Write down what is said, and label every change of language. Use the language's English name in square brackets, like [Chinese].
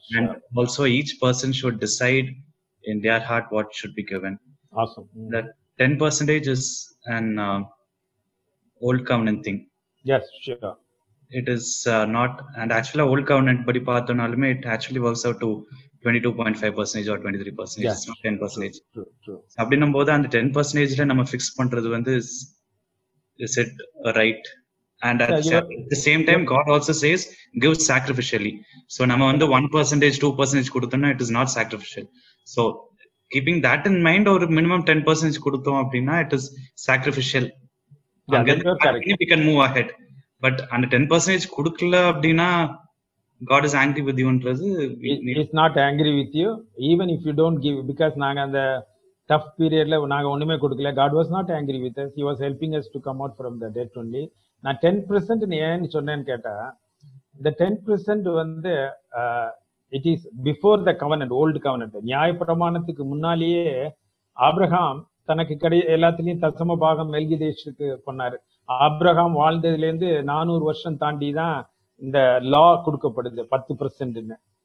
[English] And sure. Also, each person should decide in their heart what should be given. Awesome. That 10% is an old covenant thing. Yes, sure. It is not, and actually old covenant, but it actually works out to 22.5% or 23%. Yes. It's not 10%. True. [Tamil] அப்படி நம்ம போது அந்த 10% நம்ம fix பண்றது வந்து [English] is it right? And at the same time, God also says, give sacrificially. So, when we give 1%, 2%, it is not sacrificial. So, keeping that in mind, or minimum 10%, it is sacrificial. Yeah, we can move ahead. But on the 10%, God is angry with you. He's not angry with you, even if you don't give. Because in the tough period, God was not angry with us. He was helping us to come out from the debt only. [Tamil] நான் 10% ஏன்னு சொன்னேன்னு கேட்டா, இந்த 10% வந்து [English] It is before the covenant, old covenant. [Tamil] நியாய பிரமாணத்துக்கு முன்னாலேயே Abraham தனக்கு கடை எல்லாத்துலயும் தசம பாகம் மெல்கிதேசுக்கு பண்ணாரு. ஆப்ரஹாம் வாழ்ந்ததுல இருந்து 400 வருஷம் தாண்டி தான் இந்த லா கொடுக்கப்படுது 10%ன்னு.